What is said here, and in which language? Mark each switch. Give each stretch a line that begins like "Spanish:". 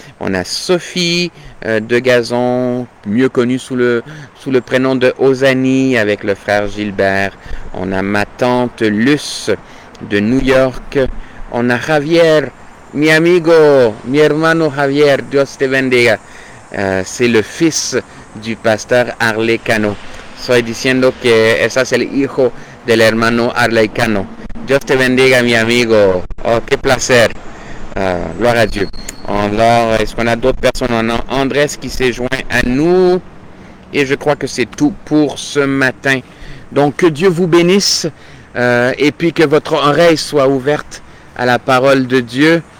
French: On a Sophie de Gazon, mieux connue sous le prénom de Ozani avec le frère Gilbert. On a ma tante Luce de New York. On a
Spanish: Javier, mi amigo, mi hermano Javier, Dios te bendiga.
French: C'est le fils du pasteur Arley Cano.
Spanish: Soy diciendo que ese es el hijo del hermano Arley Cano. Dios te bendiga, mi amigo.
French: Oh,
Spanish: qué placer.
French: Gloire à Dieu. Alors, est-ce qu'on a d'autres personnes? On a Andrés qui s'est joint à nous. Et je crois que c'est tout pour ce matin. Donc, que Dieu vous bénisse. Et puis, que votre oreille soit ouverte à la parole de Dieu.